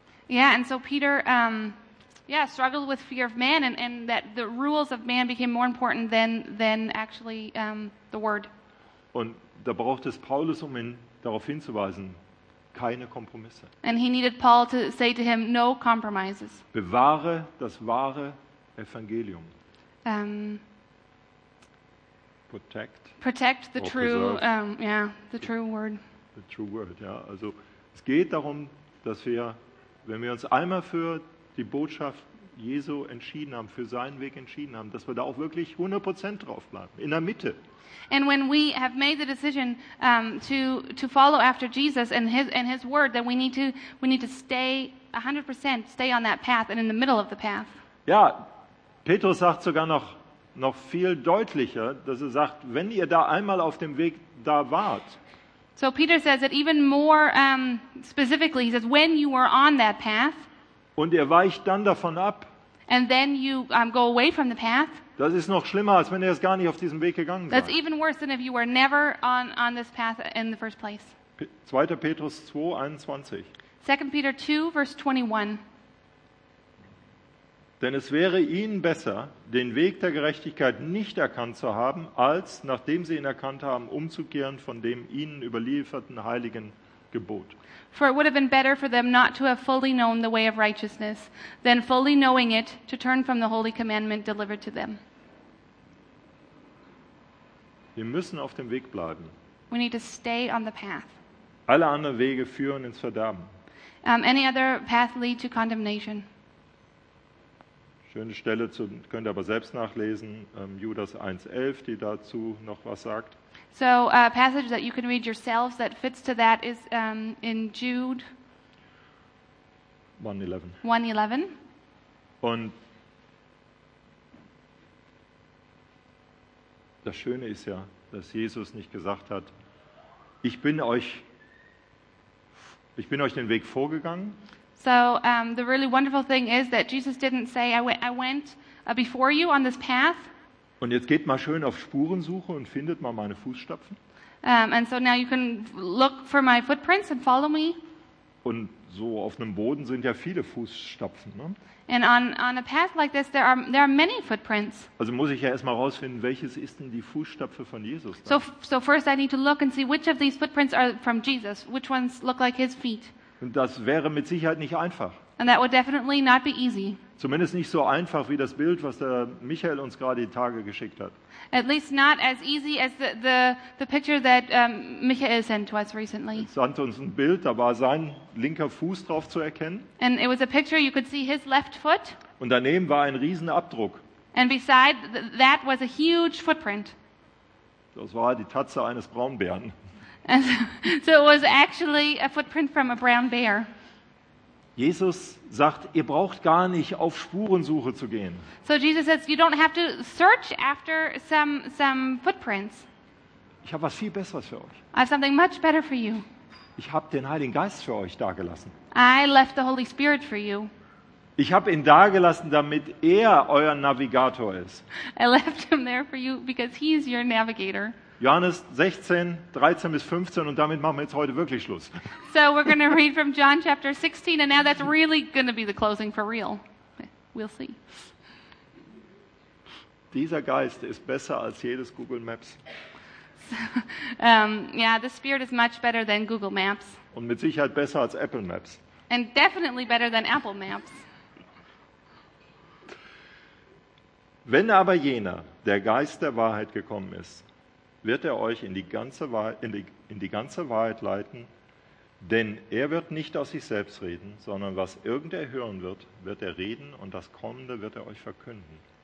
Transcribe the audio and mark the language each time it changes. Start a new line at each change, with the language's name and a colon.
English: Yeah, and so Peter struggled with fear of man and that the rules of man became more important than actually the word.
German: Und da braucht es Paulus, um ihn darauf hinzuweisen, keine Kompromisse.
English: And he needed Paul to say to him, no compromises.
German: Bewahre das wahre Evangelium.
English: Protect the true, the true word. The true word, ja.
German: Also es geht darum, dass wir, wenn wir uns einmal für die Botschaft Jesu entschieden haben, für seinen Weg entschieden haben, dass wir da auch wirklich 100% drauf bleiben, in der Mitte.
English: And when we have made the decision to follow after Jesus and his word, that we need to stay 100% stay on that path and in the middle of the path.
German: Ja, Petrus sagt sogar noch viel deutlicher, dass er sagt, wenn ihr da einmal auf dem Weg da wart.
English: So Peter says it even more specifically. He says, when you were on that path.
German: Und ihr weicht dann davon ab.
English: And then you go away from the path.
German: Das ist noch schlimmer, als wenn ihr es gar nicht auf diesem Weg gegangen seid.
English: That's even worse than if you were never on this path in the first place.
German: 2. Petrus 2, 21.
English: 2 Peter 2, verse 21.
German: Denn es wäre ihnen besser, den Weg der Gerechtigkeit nicht erkannt zu haben, als, nachdem sie ihn erkannt haben, umzukehren von dem ihnen überlieferten heiligen Gebot.
English: For it would have been better for them not to have fully known the way of righteousness than fully knowing it to turn from the holy commandment delivered to them.
German: Wir müssen auf dem Weg bleiben.
English: We need to stay on the path.
German: Alle anderen Wege führen ins Verderben.
English: Any other path lead to condemnation.
German: Schöne Stelle, könnt ihr aber selbst nachlesen, Judas 1,11, die dazu noch was sagt.
English: So a passage that you can read yourselves that fits to that is in Jude 1:11.
German: Und das Schöne ist ja, dass Jesus nicht gesagt hat, ich bin euch den Weg vorgegangen.
English: So the really wonderful thing is that Jesus didn't say I went before you on this path.
German: Und jetzt geht mal schön auf Spurensuche und findet mal meine Fußstapfen.
English: And so now you can look for my footprints and follow me.
German: Und so auf einem Boden sind ja viele Fußstapfen, ne?
English: And on a path like this there are many footprints.
German: Also muss ich ja erstmal rausfinden, welches ist denn die Fußstapfe von Jesus da?
English: So first I need to look and see which of these footprints are from Jesus, which ones look like his feet.
German: Und das wäre mit Sicherheit nicht einfach.
English: And that would definitely not be easy.
German: Zumindest nicht so einfach wie das Bild, was der Michael uns gerade die Tage geschickt hat.
English: At least not as easy as the picture that Michael sent to us recently.
German: Er sandte uns ein Bild, da war sein linker Fuß drauf zu erkennen.
English: And it was a picture you could see his left foot.
German: Und daneben war ein riesen Abdruck.
English: And beside that was a huge footprint.
German: Das war die Tatze eines Braunbären.
English: So it was actually a footprint from a brown bear.
German: Jesus sagt, ihr braucht gar nicht auf Spurensuche zu gehen.
English: So Jesus says, you don't have to search after some footprints.
German: Ich habe was viel Besseres für euch.
English: I have something much better for you.
German: Ich habe den Heiligen Geist für euch dagelassen.
English: I left the Holy Spirit for you.
German: Ich habe ihn dagelassen, damit er euer Navigator ist.
English: I left him there for you because he is your navigator.
German: Johannes 16, 13 bis 15 und damit machen wir jetzt heute wirklich Schluss.
English: So we're going to read from John chapter 16 and now that's really going to be the closing for real. We'll see.
German: Dieser Geist ist besser als jedes Google Maps.
English: The Spirit is much better than Google Maps.
German: Und mit Sicherheit besser als Apple Maps.
English: And definitely better than Apple Maps.
German: Wenn aber jener, der Geist der Wahrheit gekommen ist, wird er euch in die ganze Wahrheit leiten, denn er wird nicht aus sich selbst reden, sondern was irgend er hören wird, wird er reden und das Kommende wird er euch verkünden.